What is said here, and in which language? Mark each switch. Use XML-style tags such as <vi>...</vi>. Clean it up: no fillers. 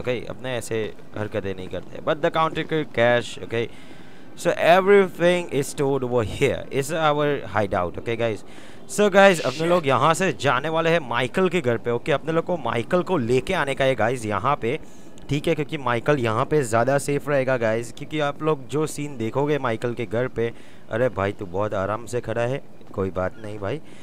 <hi>Okay, अपने ऐसे हरकतें नहीं करते,</hi> <en>but the counter cash. Okay, so everything is stored over here. It's our hideout.</en> <hi>Okay guys, so guys अपने लोग यहाँ से जाने वाले हैं माइकल के घर पे। ओके, अपने लोग को माइकल को लेके आने का है गाइज यहाँ पे, ठीक है, क्योंकि माइकल यहाँ पे ज़्यादा सेफ रहेगा गाइज। क्योंकि आप लोग जो सीन देखोगे माइकल के घर पे, अरे भाई तू बहुत आराम से खड़ा है, कोई बात नहीं भाई।</hi>